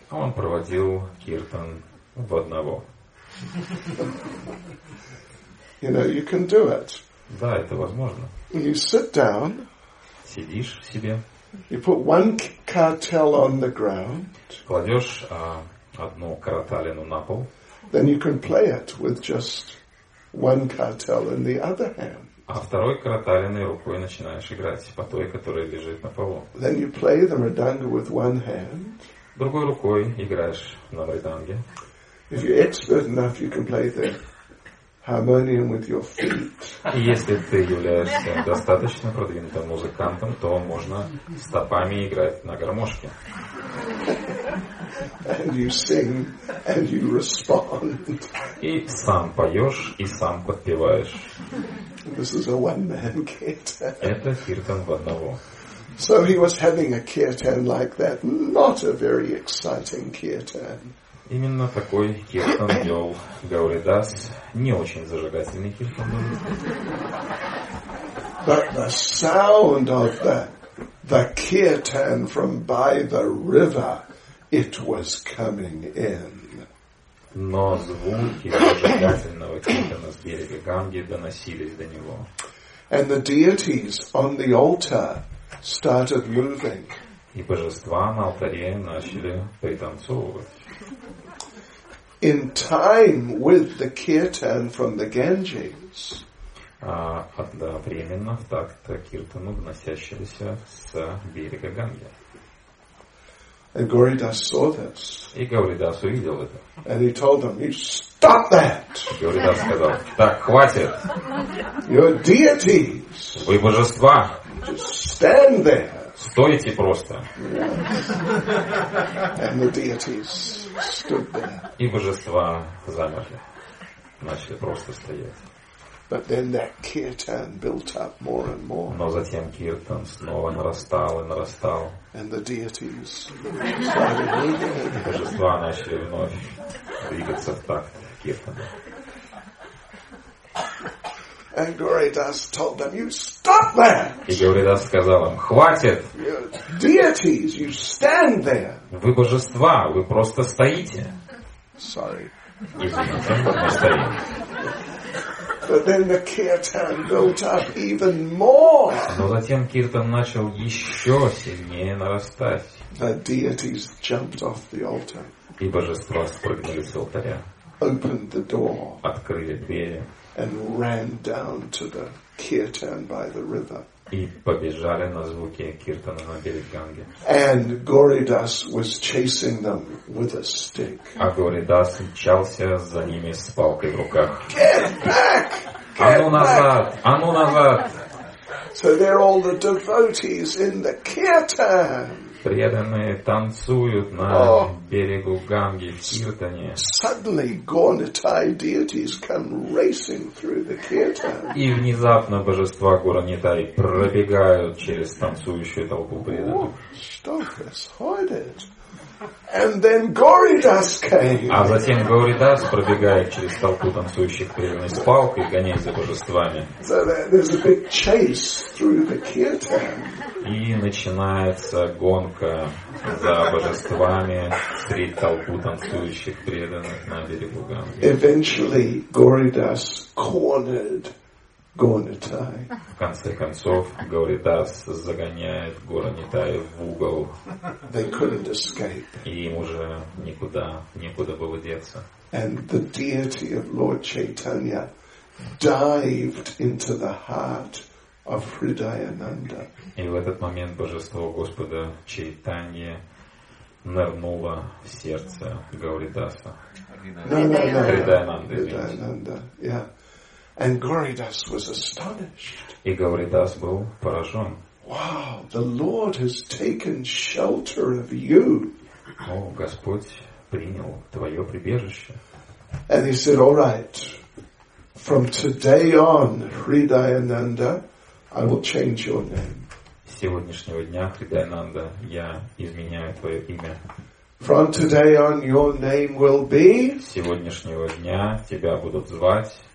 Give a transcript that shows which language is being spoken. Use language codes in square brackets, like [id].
[ru] А он проводил киртан в одного. [en] You know, you can do it. [ru] Да, это возможно. [en] You sit down. [ru] Сидишь себе. [en] You put one cartel on the ground. [ru] Кладешь одну картелину на пол. [en] Then you can play it with just one cartel in the other hand. [ru] А второй картелиной рукой начинаешь играть по той, которая лежит на полу. [en] Then you play the мриданга with one hand. [ru] Другой рукой играешь на мриданге. [en] If you're expert enough, you can play the harmonium with your feet. [ru] Если ты являешься достаточно продвинутым музыкантом, то можно стопами играть на гармошке. [en] And you sing and you respond. [ru] И сам поешь и сам подпеваешь. [en] This is a one-man kirtan. [ru] Это киртан в одного. [en] So he was having a kirtan like that, not a very exciting kirtan. [ru] Именно такой киртан вел Гауридас, не очень зажигательный киртан. [en] But the sound of the kirtan from by the river, it was coming in. [ru] Но звуки зажигательного киртана с берега Ганги доносились до него. [en] And the deities on the altar started moving. [ru] И божества на алтаре начали пританцовывать. [en] In time with the kirtan from the Ganges. [ru] Одновременно в такт киртану, доносящегося с берега Ганги. [en] And Gauridas saw this. [ru] И Гауридас увидел это. [en] And he told them, you stop that. [ru] Гауридас сказал, так, хватит. [en] You're deities. [ru] Вы божества. [en] Just stand there. [ru] Стойте просто. [en] Yes. And the deities stood there. [ru] И божества замерли. Начали просто стоять. [en] But then that kirtan built up more and more. [ru] Но затем киртан снова нарастал и нарастал. [en] And the deities started moving. [ru] И божества начали вновь двигаться в такт киртану. [en] And Gauridas told them, "You stop that!" [ru] И Гауридас сказал им, хватит. [en] You're deities, you stand there. [ru] Вы божества, вы просто стоите. [en] Sorry. [ru] Извините, мы стоим. [en] But then the kirtan built up even more. [ru] Но затем киртан начал еще сильнее нарастать. [en] The deities jumped off the altar. [ru] И божества спрыгнули с алтаря. [en] Opened the door. [ru] Открыли двери. [en] And ran down to the kirtan by the river. [ru] И побежали на звуки киртана на берег Ганги. [en] And Gauridas was chasing them with a stick. [ru] А Гауридас мчался за ними с палкой в руках. [en] Get back! Get [ru] а ну назад! А ну назад! [en] So they're all the devotees in the kirtan. [ru] Преданные танцуют на берегу Ганги в киртане. [en] Suddenly, Gaunatai deities come racing through the kirtan. [ru] И внезапно божества Гаунатай пробегают через танцующую толпу преданных. Что происходит? [en] And then Goridas came. [ru] А затем Горидас пробегает через толпу танцующих преданных с палкой, гоняясь за божествами. [en] So there's a big chase through the kirtan. [ru] И начинается гонка за божествами среди толпу танцующих преданных на берегу Ганги. [en] Eventually Goridas cornered Gornitai. [ru] В конце концов, Горидас загоняет Горанитай в угол. [en] They couldn't escape. [ru] И им уже никуда, некуда было деться. [en] And the deity of Lord Chaitanya dived into the heart of Hridayananda. [ru] И в этот момент божество Господа Чайтанья нырнуло в сердце Горидаса. [en] Хридаянанда. Yeah. And Goridas was astonished. [ru] И Горидас был поражен. [en] Wow, the Lord has taken shelter of you. [ru] О, Господь принял твое прибежище. [en] And he said, all right, from today on, Hridayananda, I will change your name. [ru] С сегодняшнего дня, Хридаянанда, я изменяю твое имя. [en] From today on, your name will be. [ru] С сегодняшнего дня тебя будут звать.